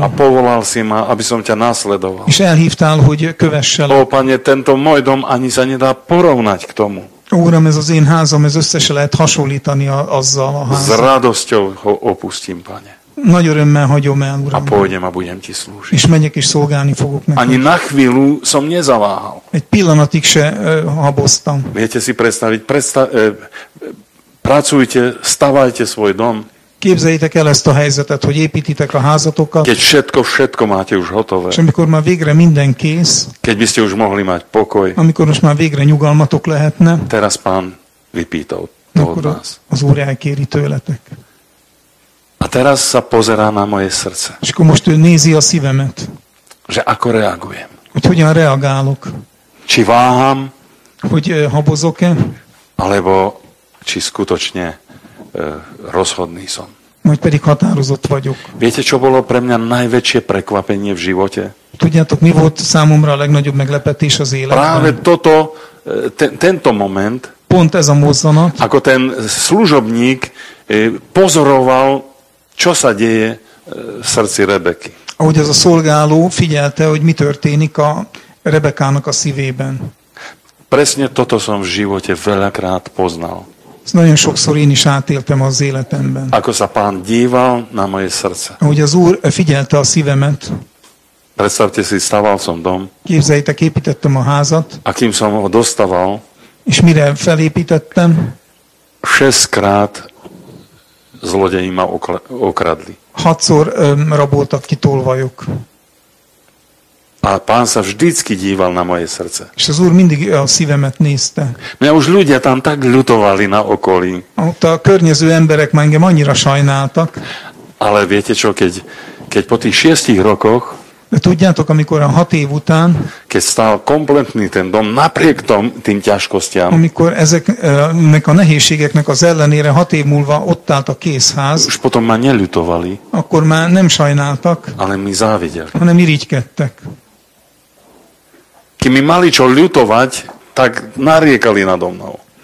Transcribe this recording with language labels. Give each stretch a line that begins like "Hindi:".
Slovak: A povolal si ma, aby som ťa nasledoval.
Hungarian: És elhívtál, hogy kövessel.
Slovak: Ó, pane, tento môj dom ani sa nedá porovnať k tomu.
Hungarian: Uram, ez az én házam, ez össze se lehet hasonlítani azzal a házam.
Slovak: S radosťou ho opustím, pane.
Hungarian: Nagy örömmel hagyom el, uram.
Slovak: A pôjdem a budem ti slúžiť.
Hungarian: És megyek és szolgálni fogok neked.
Slovak: Ani na chvíľu som nezaváhal.
Hungarian: Egy pillanatig se haboztam.
Slovak: Viete si predstaviť, pracujte, stavajte svoj dom.
Hungarian: Képzeljétek el ezt a helyzetet, hogy építitek a házatokat.
Slovak: Keď všetko máte už hotové.
Hungarian: És amikor már végre minden kész.
Slovak: Keď by ste už mohli mať pokoj.
Hungarian: Amikor most már végre nyugalmatok lehetne.
Slovak: Teraz pán vypíta od vás.
Hungarian: Az Úr elkéri tőletek.
Slovak: A teraz sa pozerá na moje srdce.
Hungarian: És akkor most ő nézi a szívemet.
Slovak: Že ako reagujem.
Hungarian: Hogy hogyan reagálok.
Slovak: Či váham.
Hungarian: Hogy habozok-e.
Slovak: Alebo či skutočne rozhodný som.
Hungarian: Majd pedig határozott vagyok.
Slovak: Viete, čo bolo pre mňa najväčšie prekvapenie v živote?
Hungarian: Tudjátok, mi volt számomra a legnagyobb meglepetés az életben?
Slovak: Práve toto, tento moment,
Hungarian: pont ez a mozzanat,
Slovak: ako ten služobník pozoroval, čo sa deje v srdci Rebeky.
Hungarian: Ahogy ez a szolgáló figyelte, hogy mi történik a Rebekának a szívében.
Slovak: Presne toto som v živote veľakrát poznal.
Hungarian: Ezt nagyon sokszor én is átéltem az életemben.
Slovak: Ako sa pán díval na moje srdce.
Hungarian: Ahogy az Úr figyelte a szívemet.
Slovak: Predstavte si, staval som dom.
Hungarian: Képzeljétek, építettem a házat.
Slovak: A kým som ho dostaval.
Hungarian: És mire felépítettem.
Slovak: 6-krát zlodeji ma okradli.
Hungarian: 6-szor raboltak ki tolvajok.
Slovak: A pán sa vždycky díval na moje srdce.
Hungarian: És az Úr mindig a szívemet nézte.
Slovak: Mňa už ľudia tam tak ľutovali na okolí.
Hungarian: A környező emberek ma engem annyira sajnáltak.
Slovak: Ale viete čo, keď po tých 6 rokoch,
Hungarian: de tudjátok, amikor a 6 év után,
Slovak: keď stál kompletný ten dom, napriek tým ťažkostiam,
Hungarian: amikor ezeknek a nehézségeknek az ellenére 6 év múlva ott állt a kész ház,
Slovak: už potom ma neľutovali,
Hungarian: akkor már nem sajnáltak,
Slovak: ale mi závideli,
Hungarian: hanem irigykedtek.
Slovak: Ki mi mali čo ľutovať, tak nariekali nado mnou.